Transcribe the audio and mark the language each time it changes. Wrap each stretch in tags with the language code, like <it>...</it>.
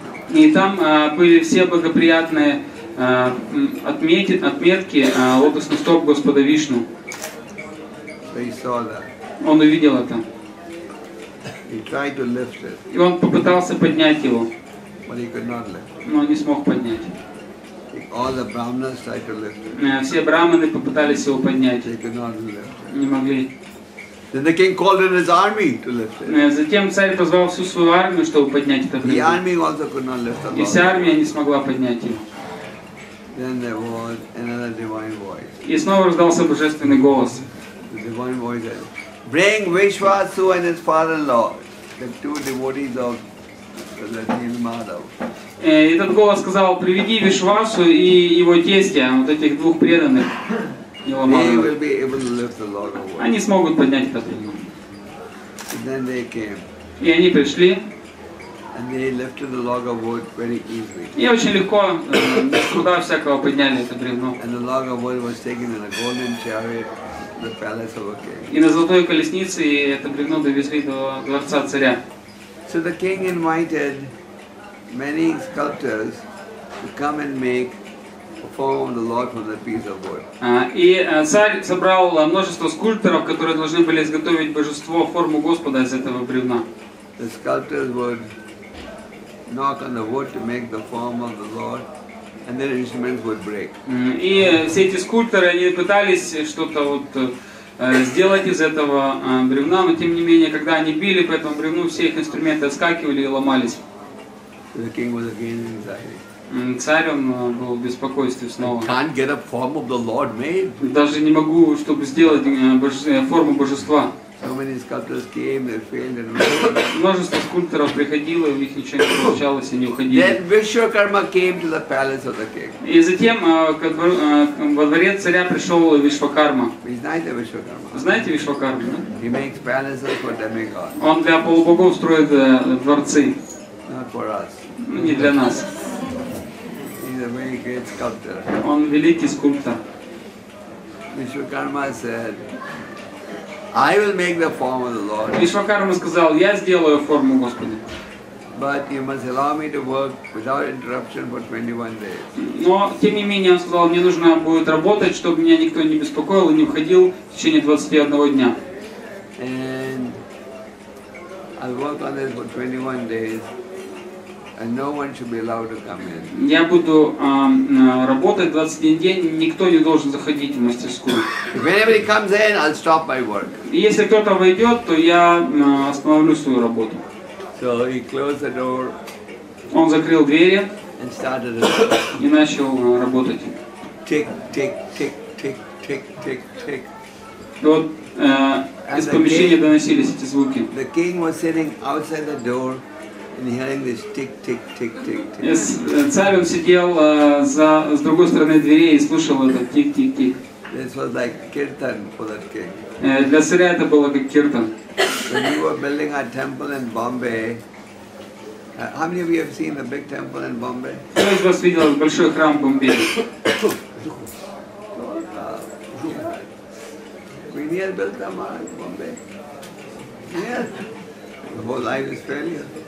<ru>И там были все благоприятные отметки лотосных стоп Господа Вишну.</ru> <en>They saw that.</en> <ru>Он увидел это.</ru> <en>He tried to lift it.</en> <ru>И он попытался поднять его.</ru> <en>But he could not lift.</en> <ru>Но он не смог поднять.</ru> <en>All the brahmanas tried to lift it.</en> <ru>Все брахманы попытались его поднять.</ru> <en>They could not lift it.</en> <ru>Не могли.</ru> <en>Then the king called in his army to lift it.</en> <ru>Затем царь позвал всю свою армию, чтобы поднять это бревно.</ru> <en>The army also could not lift it.</en> <ru>И вся армия не смогла поднять его.</ru> <en>Then there was another divine voice.</en> <ru>И снова раздался божественный голос.</ru> <en>The divine voice said, "Bring Vishvasu and his father-in-law, the two devotees of the Nilmadhava."</en> <ru>И этот голос сказал: "Приведи Вишвасу и его тестя, вот этих двух преданных Ниламадхавы."</ru> <en>They will be able to lift the log of wood.</en> <ru>Они смогут поднять этот бревно.</ru> <en>And then they came.</en> <ru>И они пришли.</ru> <en>And they lifted the log of wood very easily.</en> <ru>И очень легко, без труда всякого подняли это бревно.</ru> <en>And the log of wood was taken in a golden chariot. The palace of a king.</en> <ru>И на золотой колеснице это бревно довезли до дворца царя.</ru> <en>So the king invited many sculptors to come and make a form of the Lord from the piece of wood.</en> <ru>И царь собрал множество скульпторов, которые должны были изготовить божество, форму Господа из этого бревна.</ru> <en>The sculptors would knock on the wood to make the form of the Lord, and their instruments would break.</en> <ru>И все эти скульпторы, они пытались что-то вот сделать из этого бревна, но тем не менее, когда они били по этому бревну, все их инструменты отскакивали и ломались.</ru> <en>The king was again in anxiety.</en> <ru>Царь, он был в беспокойстве снова.</ru> <en>I can't get a form of the Lord made.</en> <ru>Даже не могу, чтобы сделать форму божества.</ru> <en>How many sculptors came, they failed and</en> <ru>множество скульпторов приходило, у них ничего не получалось, они уходили.</ru> <en>Came to the palace of the king.</en> <ru>И затем во дворец царя пришел Вишвакарма. Знаете Вишвакарму? Да?</ru> <en>He makes palaces for demigods.</en> <ru>Он для полубогов строит дворцы.</ru> <en>Not for us.</en> <ru>Не для нас.</ru> <en>He's a very great sculptor.</en> <ru>Он великий скульптор.</ru> <en>Вишвакарма said, I will make the form of the Lord.</en> <ru>Вишвакарма сказал, я сделаю форму Господа.</ru> <en>But you must allow me to work without interruption for 21 days.</en> <ru>Но тем не менее он сказал, мне нужно будет работать, чтобы меня никто не беспокоил и не уходил в течение 21 дня.</ru> <en>And I'll work on this for 21 days, and no one should be allowed to come in.</en> <ru>Я буду работать 21 день, никто не должен заходить в мастерскую.</ru> <en>If anybody comes in, I'll stop my work.</en> <ru>Если кто-то войдет, то я остановлю свою работу.</ru> <en>So he closed the door.</en> <ru>Он закрыл двери.</ru> <en>And started</en> <ru>и начал работать.</ru> <en>Tick, tick, tick, tick, tick, tick, tick.</en> <ru>Вот из помещения доносились эти звуки.</ru> <en>The king was sitting outside the door. And hearing this tick, tick, tick, tick, tick.</en> <ru>Yes, царь он сидел с другой стороны двери и слушал этот тик, тик, тик.</ru> <en>This was like kirtan for that king.</en> <ru>Для царя это было как киртан.</ru> <en>When we were building our temple in Bombay, how many of you have seen the big temple in Bombay?</en> <ru>Кто из вас видел большой храм в Бомбее?</ru> <en>We near built them in Bombay. Yes. The whole life is failure.</en>